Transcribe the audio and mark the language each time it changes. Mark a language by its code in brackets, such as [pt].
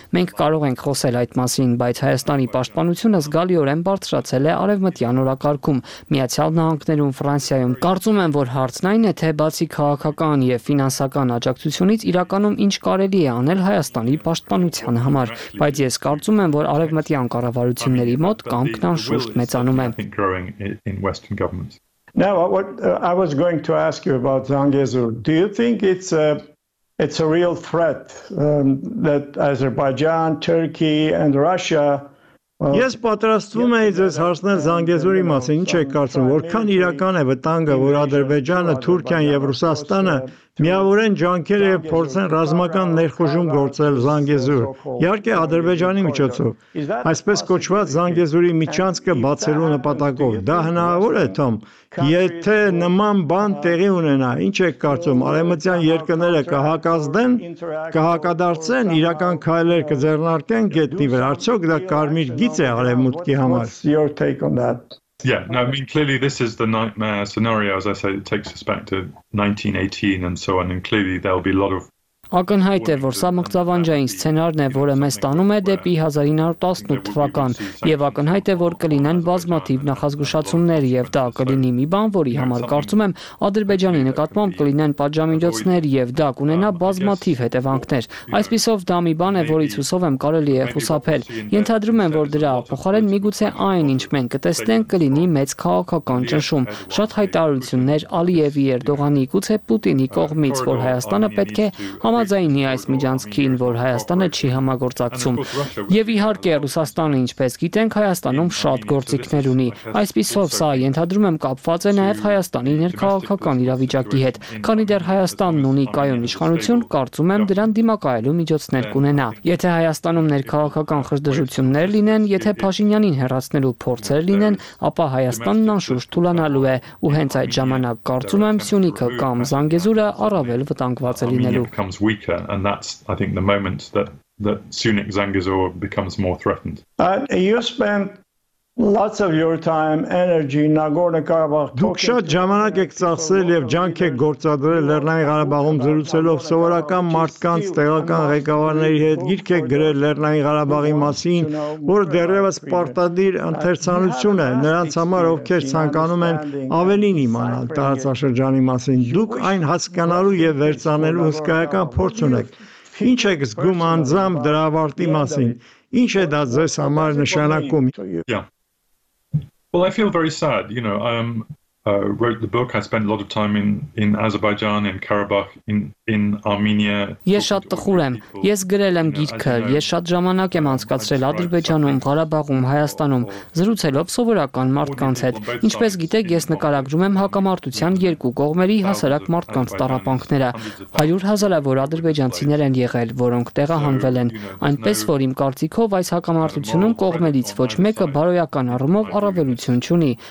[hy] Մենք կարող ենք խոսել այդ մասին, բայց Հայաստանի պաշտպանությունը զգալիորեն բարձրացել է արևմտյան օրակարգում, Միացյալ Նահանգներում, Ֆրանսիայում։ Կարծում եմ, որ հարցն այն է, թե բացի քաղաքական եւ ֆինանսական աջակցությունից, իրականում ինչ կարելի է անել Հայաստանի պաշտպանության համար, բայց ես կարծում եմ, որ արևմտյան կառավարությունների մոտ կամքն անշուշտ մեծանում է։ [en] Now what I was going to ask you about Zangezur, do you think it's a real threat that Azerbaijan, Turkey and Russia? [hy] Ես պատրաստվում եմ ձեզ հարցնել Զանգեզուրի մասին, ինչ եք կարծում, որքան իրական է վտանգը, որ Ադրբեջանը, Թուրքիան եւ Ռուսաստանը միավորեն ջանքերը եւ փորձեն ռազմական ներխուժում գործել Զանգեզուր, իհարկե Ադրբեջանի միջոցով, այսպես կոչված Զանգեզուրի միջանցքը բացելու նպատակով, դա հնարավոր է, Թոմ, եթե նման բան տեղի ունենա, ինչ եք կարծում, արևմտյան երկրները կհակազդեն, կհակադարձեն, իրական քայլեր կձեռնարկեն գետնի վրա, արդյոք դա կարմիր գիծ է արևմուտքի համար? [en] Yeah, no, I mean, clearly this is the nightmare scenario, as I say, it takes us back to 1918 and so on, and clearly there'll be a lot of [hy] Ակնհայտ է, որ սա մղձավանջային սցենարն է, որը մեզ տանում է դեպի 1918 թվական, եւ ակնհայտ է, որ կլինեն բազմաթիվ նախազգուշացումներ, եւ դա կլինի մի բան, որի համար կարծում եմ, Ադրբեջանի նկատմամբ կլինեն պատժամիջոցներ, եւ դա կունենա բազմաթիվ հետևանքներ։ Այսպիսով դա մի բան է, որից հուսով եմ կարելի է խուսափել։ Ենթադրում եմ, որ դրա փոխարեն միգուցե այն, ինչ մենք կտեսնենք, կլինի մեծ քաղաքական ճնշում, շատ հայտարարություններ Ալիևի, Էրդողանի, գուցե Պուտինի կողմից, որ Հայաստանը պետք է համաձայնի այս միջանցքին, որ Հայաստանը չի համագործակցում։ Եվ իհարկե Ռուսաստանը, ինչպես գիտենք, Հայաստանում շատ գործիքներ ունի։ Այսպիսով սա, ենթադրում եմ, կապված է նաև Հայաստանի ներքաղաքական իրավիճակի հետ։ Քանի դեռ Հայաստանն ունի կայուն իշխանություն, կարծում եմ, դրան դիմակայելու միջոցներ կունենա։ Եթե Հայաստանում ներքաղաքական խժդժություններ լինեն, եթե Փաշինյանին հեռացնելու փորձեր լինեն, ապա Հայաստանն անշուշտ թուլանալու է, ու հենց այդ ժամանակ կարծում եմ, Սյունիքը կամ Զանգեզուրը առավել վտանգված է լինելու։ [en] Becomes weaker, and that's, I think, the moment that Sunik Zangezur becomes more threatened. You spent lots of your time, energy, Nagorno-Karabakh. [hy] Դուք շատ ժամանակ եք ծախսել եւ ջանք եք գործադրել Լեռնային Ղարաբաղում զրուցելով սովորական մարդկանց, տեղական ղեկավարների հետ, գիրք եք գրել Լեռնային Ղարաբաղի մասին, որը դեռևս պարտադիր ընթերցանություն է նրանց համար, ովքեր ցանկանում են ավելին իմանալ տարածաշրջանի մասին։ Դուք այն հասկանալու եւ վերցանելու հսկայական փորձ ունեք։ Ինչ եք զգում անձամբ դրա ավարտի մասին։ Ինչ է դա ձեզ համար նշանակում։ [en] Well, I feel very sad, you know. Wrote the book. I spent a lot of time in Azerbaijan, in Karabakh, in Armenia. [hy] Ես շատ տխուր եմ։ Ես գրել եմ գիրքը։ Ես շատ ժամանակ եմ անցկացրել Ադրբեջանում, Ղարաբաղում, Հայաստանում, զրուցելով սովորական մարդկանց հետ։ Ինչպես գիտեք, ես նկարագրում եմ հակամարտության երկու կողմերի հասարակ մարդկանց տառապանքները։ 100 հազարավոր ադրբեջանցիներ են եղել, որոնք տեղահանվել են, այնպես որ իմ կարծիքով այս հակամարտությունում կողմերից ոչ մեկը բարոյական առումով առավելություն չունի,